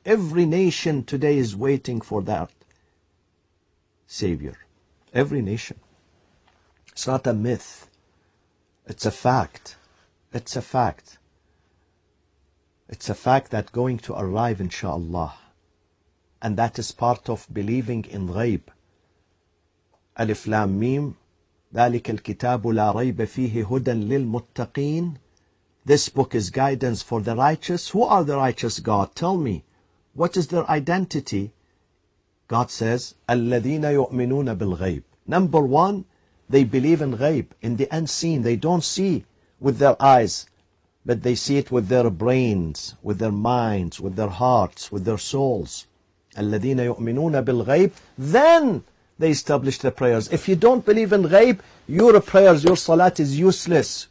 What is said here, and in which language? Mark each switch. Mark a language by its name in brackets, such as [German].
[English] Every nation today is waiting for that savior. Every nation. It's not a myth. It's a fact. It's a fact that going to arrive, inshallah. And that is part of believing in ghayb. [Arabic] Alif Lam Mim, ذَلِكَ الْكِتَابُ لَا رَيْبَ فِيهِ هُدًى لِلْمُتَّقِينَ. [English] This book is guidance for the righteous. Who are the righteous, God? Tell me, what is their identity? God says, [Arabic] الَّذِينَ يُؤْمِنُونَ بِالْغَيْبِ. [English] Number one, they believe in ghayb, in the unseen. They don't see with their eyes, but they see it with their brains, with their minds, with their hearts, with their souls. [Arabic] الَّذِينَ يُؤْمِنُونَ بِالْغَيْبِ. [English] Then they establish the prayers. If you don't believe in ghayb, your prayers, your salat is useless.